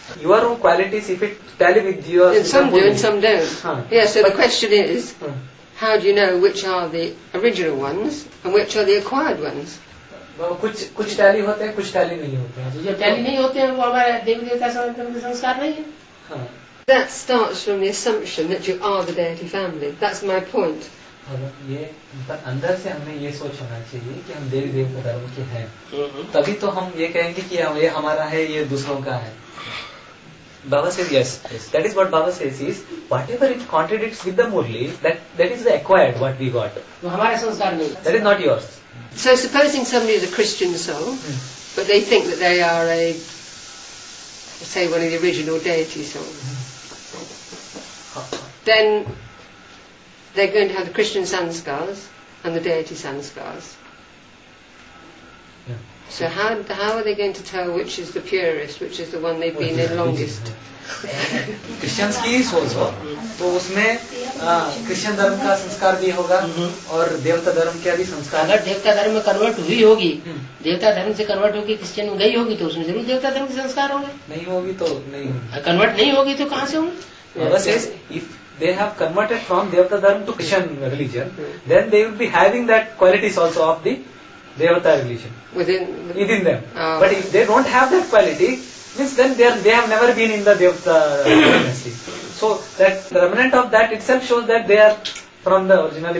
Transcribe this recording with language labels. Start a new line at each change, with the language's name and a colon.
English: You are own qualities if it tally with you are some do and some don't. Yes, so the question is how do you know which are the original ones and which are the acquired ones.
Hindi: कुछ कुछ tally होते हैं, कुछ tally नहीं होते। जो tally नहीं होते हैं वो हमारा देवी देवता धर्म का संस्कार नहीं है।
English: That starts from the assumption that you are the deity family. That's my point.
Hindi: ये अंदर से हमें ये सोच होना चाहिए कि हम देवी देव धर्म के हैं, तभी तो हम ये कहेंगे कि ये हमारा है ये दूसरों का है।
English: Baba says yes. That is what Baba says is whatever it contradicts with the Murli, that is the acquired what we got.
Hindi: हमारा संस्कार नहीं।
English: That is not yours. So supposing somebody is a Christian soul, but they think that they are a say one of the original deity souls. Then they're going to have the Christian sanskars and the deity sanskars. Yeah. So how are they going to tell which is the purest, which is the one they've been in longest?
Hindi: Christians की सोच हो तो उसमें Christian धर्म का संस्कार भी होगा और देवता धर्म का भी संस्कार। अगर देवता धर्म में कन्वर्ट हुई होगी, देवता धर्म से कन्वर्ट होगी, क्रिश्चियन में गई होगी तो उसमें जरूर देवता धर्म के संस्कार होंगे। नहीं होगी तो नहीं, कन्वर्ट नहीं होगी तो कहाँ से होंगे?
English: Baba says if they have converted from Devata Dharma to Christian religion, then they will be having that qualities also of the devata religion within them. But if they don't have that quality, means then they have never been in the devata dynasty. So that the remnant of that itself shows that they are from the originally.